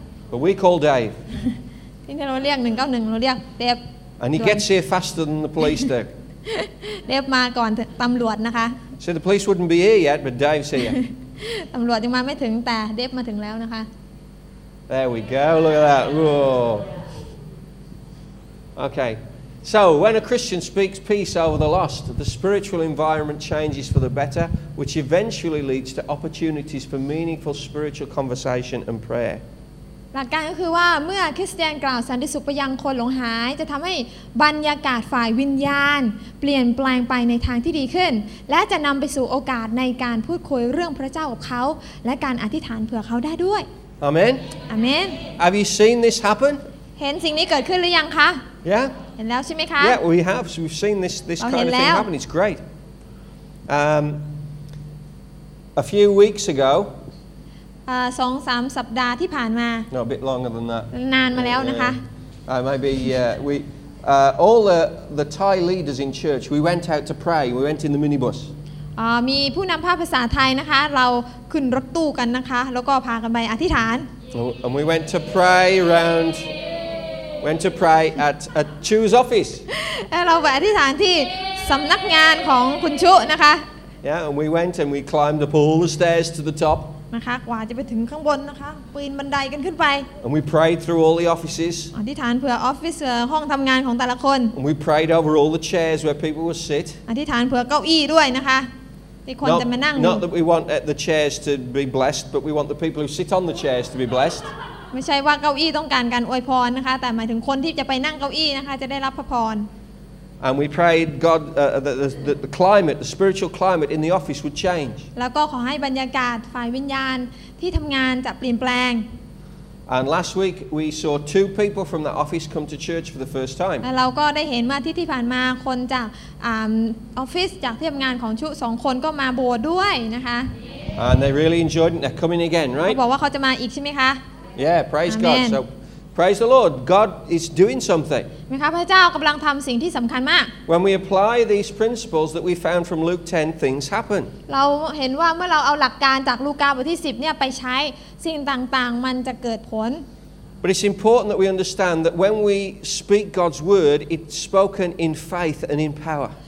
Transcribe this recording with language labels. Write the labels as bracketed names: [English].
[English] But we call Dave [Thai] ที่เราเรียก191เราเรียกเดฟ [English] And he gets here faster than the police do [Thai] เดฟมาก่อนตำรวจนะคะ [English] So the police wouldn't be here yet but Dave's here [Thai] ตำรวจยังมาไม่ถึงแต่เดฟมาถึงแล้วนะคะ [English] There we go look at that Whoa. Okay So when a Christian speaks peace over the lost the spiritual environment changes for the betterwhich eventually leads to opportunities for meaningful spiritual conversation and prayer. [Thai] หลักการก็คือว่าเมื่อคริสเตียนกล่าวสันติสุขไปยังคนหลงหายจะทำให้บรรยากาศฝ่ายวิญญาณเปลี่ยนแปลงไปในทางที่ดีขึ้นและจะนำไปสู่โอกาสในการพูดคุยเรื่องพระเจ้ากับเขาและการอธิษฐานเผื่อเขาได้ด้วย [English] Amen. Amen. Have you seen this happen? [Thai] เห็นสิ่งนี้เกิดขึ้นหรือยังคะ [English] Yeah. [Thai] เห็นแล้วใช่ไหมคะ [English] Yeah, we have. So we've seen this kind of thing happen. It's great. A few weeks ago, [Thai] 2-3 สัปดาห์ที่ผ่านมา [English] No, a bit longer than that. [Thai] นานมาแล้วนะคะ [English] Maybe we all the Thai leaders in church, we went out to pray. We went in the minibus. [Thai] มีผู้นำภาคภาษาไทยนะคะเราขึ้นรถตู้กันนะคะแล้วก็พากันไปอธิษฐาน [English] And we went to pray around. Went to pray at a Chu's office. [Thai] เราไปอธิษฐานที่สำนักงานของคุณชุนะคะ [English] Yeah, and we went and we climbed up all the stairs to the top. [Thai] นะคะกว่าจะไปถึงข้างบนนะคะปีนบันไดกันขึ้นไป [English] And we prayed through all the offices [Thai] อธิษฐานเพื่อออฟฟิศห้องทำงานของแต่ละคน [English] And we prayed over all the chairs where people would sit [Thai] อธิษฐานเพื่อเก้าอี้ด้วยนะคะที่คนจะมานั่ง [English] Not that we want the chairs to be blessed but we want the people who sit on the chairs to be blessed [Thai] ไม่ใช่ว่าเก้าอี้ต้องการการอวยพรนะคะแต่หมายถึงคนที่จะไปนั่งเก้าอี้นะคะจะได้รับพร [English] And we prayed God the climate the spiritual climate in the office would change. [Thai] แล้วก็ขอให้บรรยากาศฝ่ายวิญญาณที่ทำงานจะเปลี่ยนแปลง [English] And last week we saw two people from that office come to church for the first time. [Thai] เราก็ได้เห็นว่าที่ผ่านมาคนจากออฟฟิศจากที่ทำงานของชุ2คนก็มาโบสถ์ด้วยนะคะ [English] And they really enjoyed it. They're coming again, right? [Thai] เขาบอกว่าเขาจะมาอีกใช่ไหมคะ [English] Yeah, praise God. So Praise the Lord. God is doing something. [Thai] นะคะพระเจ้ากำลังทำสิ่งที่สำคัญมาก [English] When we apply these principles that we found from Luke 10, things happen. [Thai] เราเห็นว่าเมื่อเราเอาหลักการจากลูกาบทที่10เนี่ยไปใช้สิ่งต่างๆมันจะเกิดผล [English] But it's important that we understand that when we speak God's word, it's spoken in faith and in power.